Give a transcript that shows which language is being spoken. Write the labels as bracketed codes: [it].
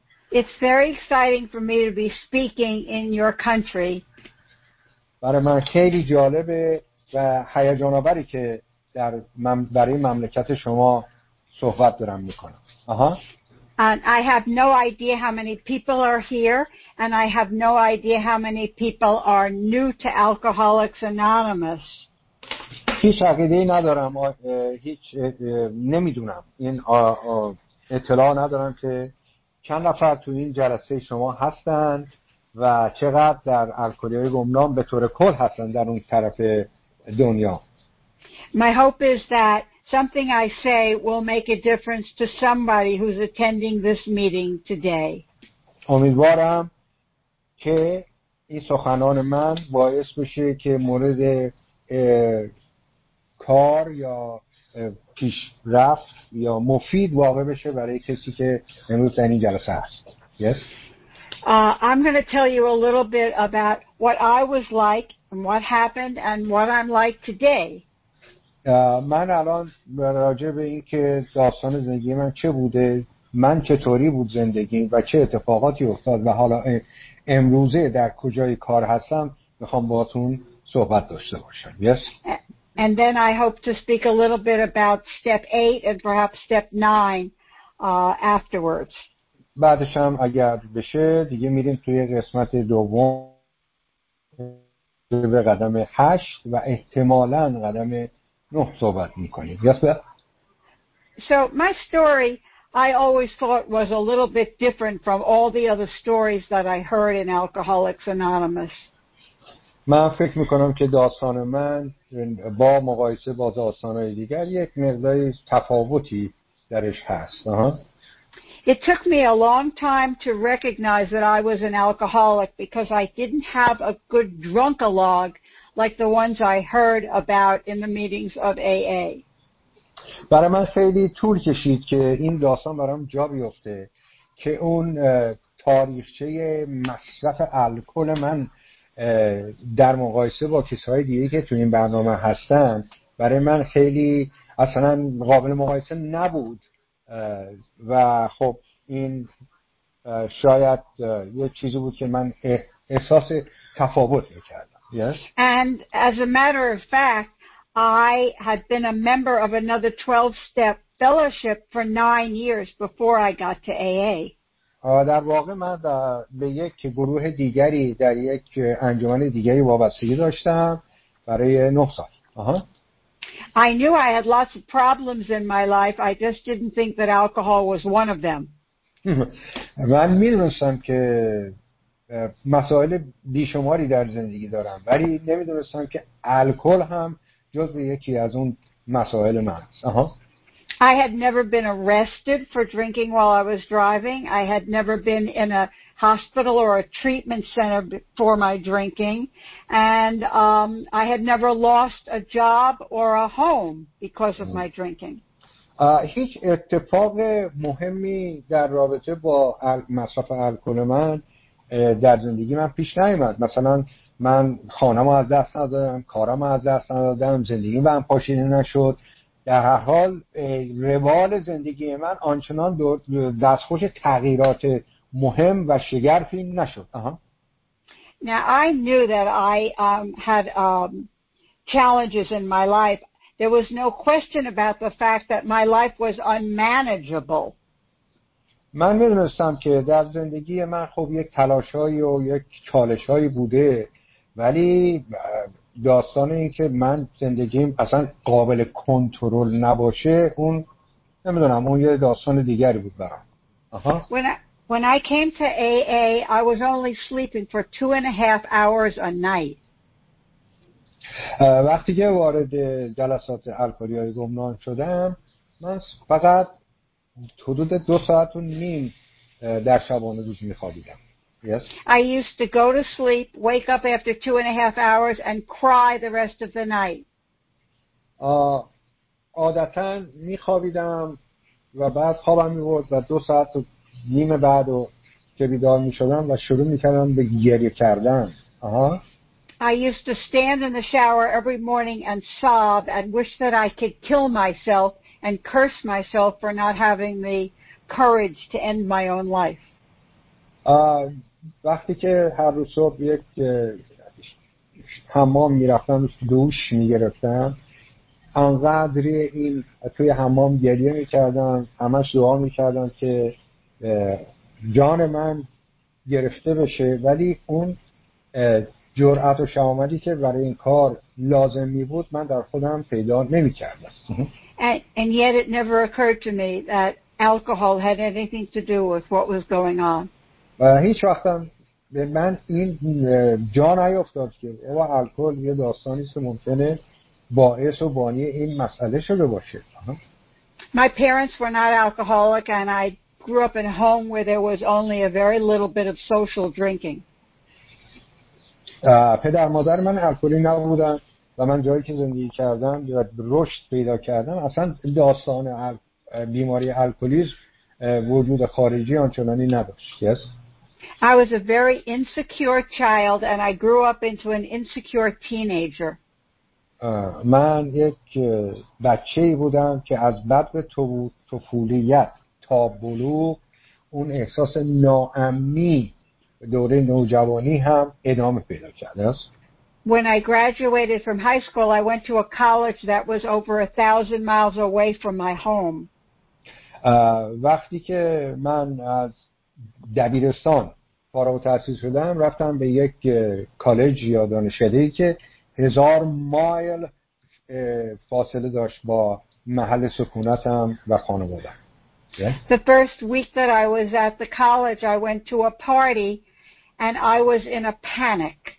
[en] It's very exciting for me to be speaking in your country. [fa] برای من خیلی جالبه و هیجان آوری که در برای مملکت شما صحبت دارم میکنم. [en] And I have no idea how many people are here, and I have no idea how many people are new to Alcoholics Anonymous. [fa] هیچ عقیده‌ای ندارم، هیچ نمیدونم، این اطلاع ندارم که چند نفر تو این جلسه شما هستن و چقدر در الکلی‌های گمنام به طور کل هستن در اون طرف دنیا. [en] My hope is that something I say will make a difference to somebody who's attending this meeting today. [fa] امیدوارم که این سخنان من باعث بشه که مورد کار یا پیشرفت یا مفید واقع بشه برای کسی که امروز در این جلسه هست. [en] Yes. I'm going to tell you a little bit about what I was like and what happened and what I'm like today. [fa] من الان راجع به این که داستان زندگی من چه بوده، من چطوری بود زندگی و چه اتفاقاتی افتاد و حالا امروزه در کجای کار هستم میخوام باهاتون صحبت داشته باشم. [en] Yes. And then I hope to speak a little bit about step 8 and perhaps step 9 afterwards. [fa] بعدش هم اگر بشه دیگه میریم توی قسمت دوم به قدم 8 و احتمالاً قدم 9 صحبت میکنیم. [en] Yes, sir. So my story I always thought was a little bit different from all the other stories that I heard in Alcoholics Anonymous. [fa] من فکر میکنم که داستان من با مقایسه با داستانهای دیگر یک مقداری تفاوتی درش هست. [en] It took me a long time to recognize that I was an alcoholic because I didn't have a good drunkalogue like the ones I heard about in the meetings of AA. [fa] برای من خیلی طول کشید که این داستان برام جا بیفته که اون تاریخچه مصرف الکل من در مقایسه با کسای دیگه که تو این برنامه هستن برای من خیلی اصلا قابل مقایسه نبود و خب این شاید یه چیزی بود که من احساس تفاوت میکردم. [en] Yes. And as a matter of fact, I had been a member of another 12-step fellowship for 9 years before I got to AA. [fa] در واقع من به یک گروه دیگری در یک انجمن دیگری وابستگی داشتم برای 9 سال. [en] I knew I had lots of problems in my life. I just didn't think that alcohol was one of them. [fa] من میدونستم که مسائل بیشماری در زندگی دارم ولی نمیدونستم که الکل هم جز به یکی از اون مسائل من است. [en] I had never been arrested for drinking while I was driving. I had never been in a hospital or a treatment center for my drinking. And I had never lost a job or a home because of my drinking. [fa] هیچ اتفاق مهمی در رابطه با مصرف الکل من در زندگی من پیش نیامد. مثلا من خانه‌مو از دست ندادم، کارمو از دست ندادم، زندگی من پاشیده نشد. در هر حال روال زندگی من آنچنان دستخوش تغییرات مهم و شگرفی نشد. [en] Now I knew that I had challenges in my life. There was no question about the fact that my life was unmanageable. [fa] من می‌دونستم که در زندگی من خب یک تلاش‌هایی و یک چالش‌هایی بوده ولی داستان این که من زندگیم اصلا قابل کنترل نباشه اون نمیدونم اون یه داستان دیگری بود برام. [en] When I came to AA I was only sleeping for 2.5 hours a night. [fa] وقتی که وارد جلسات الکلی‌های گمنام شدم من فقط حدود 2.5 ساعت در شبانه روز می‌خوابیدم. [en] Yes. I used to go to sleep, wake up after 2.5 hours, and cry the rest of the night. [fa] عادتاً می‌خوابیدم و بعد خوابم می‌برد و 2.5 ساعت بعد و که بیدار می‌شدم و شروع می‌کردم به گریه کردن. [en] I used to stand in the shower every morning and sob and wish that I could kill myself and curse myself for not having the courage to end my own life. [fa] وقتی که هر روز صبح یک حمام می‌رفتم دوش می‌گرفتم انقدر این توی حمام گریه می‌کردم همش دعا می‌کردم که جان من گرفته بشه ولی اون جرأت و شجاعتی که برای این کار لازم می‌بود من در خودم پیدا نمی‌کردم. [en] And yet it never occurred to me that alcohol had anything to do with what was going on. [fa] هیچ وقت به من این جا نیفتاد که او الکل یه داستانی است که ممکنه باعث و بانی این مسئله شده باشه. [en] My parents were not alcoholic and I grew up in a home where there was only a very little bit of social drinking. [fa] پدر مادر من الکلی نبودن و من جایی که زندگی کردم و رشد پیدا کردم اصلا داستان بیماری الکلیسم وجود خارجی آنچنانی نداشت. [en] Yes. I was a very insecure child and I grew up into an insecure teenager. [fa] من یک بچه‌ای بودم که از بد به طفولیت تا بلوغ اون احساس ناامنی دوره نوجوانی هم ادامه پیدا کرده است. [en] When I graduated from high school, I went to a college that was over 1,000 miles away from my home. [fa] وقتی که من از دبیرستان فارغ التحصیل شدم، رفتم به یک کالج یا دانشگاهی که 1,000 مایل فاصله داشت با محل سکونتم و خانوادم. [en] The first week that I was at the college, I went to a party and I was in a panic.